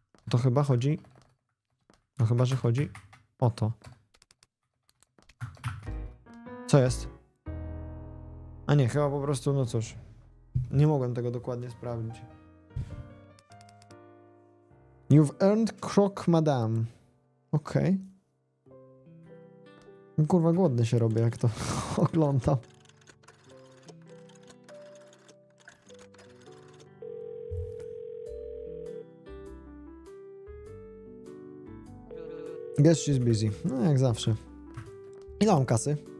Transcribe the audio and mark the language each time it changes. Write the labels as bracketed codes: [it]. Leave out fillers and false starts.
[pl] To chyba, że chodzi o to. Co jest? A nie, chyba po prostu, no cóż. Nie mogłem tego dokładnie sprawdzić. [en] You've earned croque madame. [pl] Okej. [en] Okay. [pl] Kurwa, głodny się robię, jak to oglądam. [en] Guess she's busy. [pl] No, jak zawsze. Ile mam kasy?